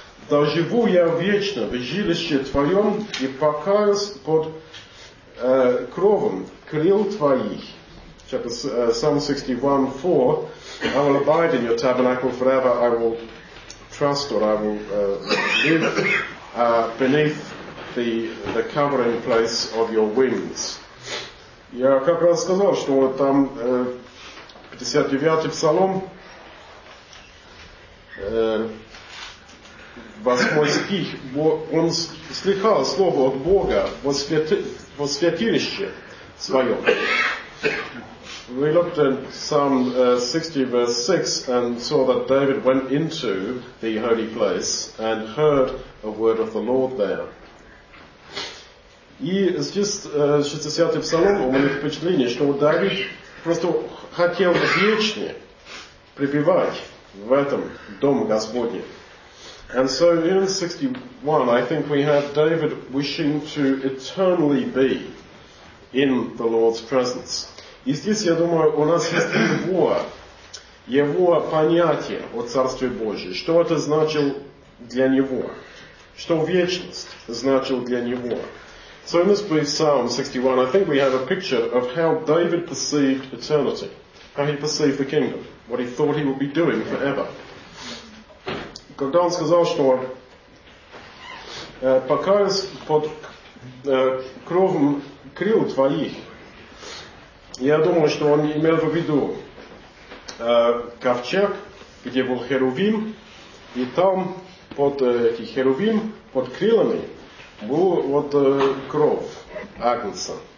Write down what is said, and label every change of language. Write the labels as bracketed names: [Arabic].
[Russian] Да живу я вечно в жилище твоем и покаюсь под кровом крыл твоих. [English] Psalm 61:4. I will abide in your tabernacle forever. I will trust, or I will live beneath the covering place of your wings. [Russian] Я как раз сказал, что вот там 59-й псалом, 8 стих, он слыхал слово от Бога во святилище своем. [English] We looked at Psalm 60 verse 6 and saw that David went into the holy place and heard a word of the Lord there. [Russian] И здесь 60-й псалом, у меня впечатление, что Давид просто хотел вечно пребывать в этом доме Господне. [English] And so in 61, I think we have David wishing to eternally be in the Lord's presence. [Russian] И здесь, я думаю, у нас есть его понятие о Царстве Божьем. Что это значило для него? Что вечность значила для него? [English] So in this brief Psalm 61, I think we have a picture of how David perceived eternity, how he perceived the kingdom, what he thought he would be doing forever. [Russian] Когда он сказал, что покаюсь под кровом крыл твоих, я думаю, что он имел в виду ковчег, где был Херувим, и там под этим Херувим, под крылами, был вот кровь Агнца.